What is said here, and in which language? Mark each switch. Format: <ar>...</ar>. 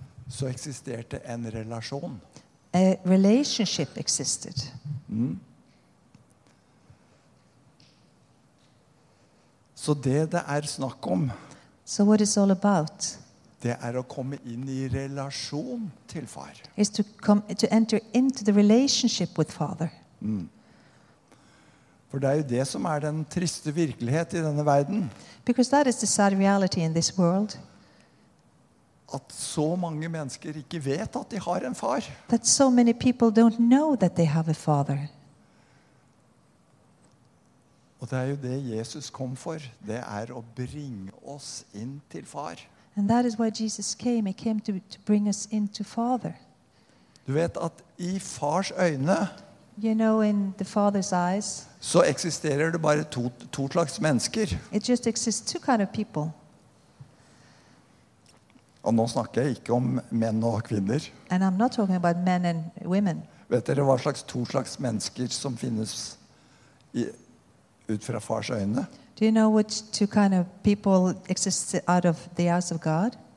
<no>Så eksisterte en relasjon.</no> <en>A relationship existed. Mm.</en> <no>Så det snakk om.</no> <en>So what is all about?</en> <no>Det å komme inn I relasjon til far.</no> <en>Is to enter into the relationship with father.</en> <no>Mm. For det jo det som den triste virkelighet I denne verden.</no> <en>Because that is the sad reality in this world.</en> <no>At så mange mennesker ikke vet at de har en far.</no> <en>That so many people don't know that they have a father.</en> <no>Og det jo det Jesus kom for. Det å bringe oss inn til far.</no> <en>And that is why Jesus came. He came to bring us into Father.</en> <no>Du vet at I fars øyne,</no> <en>you know, in the Father's eyes,</en> <no>så eksisterer det bare to slags mennesker.</no> <en>It just exists two kind of people.</en> <no>Og nå snakker jeg ikke om menn og kvinner.</no> <en>And I'm not talking about men and women.</en> <no>Vet dere hva slags to slags mennesker som finnes ut fra fars øyne?</no> <en>Do you know which two kind of people exist out of the eyes of God?</en>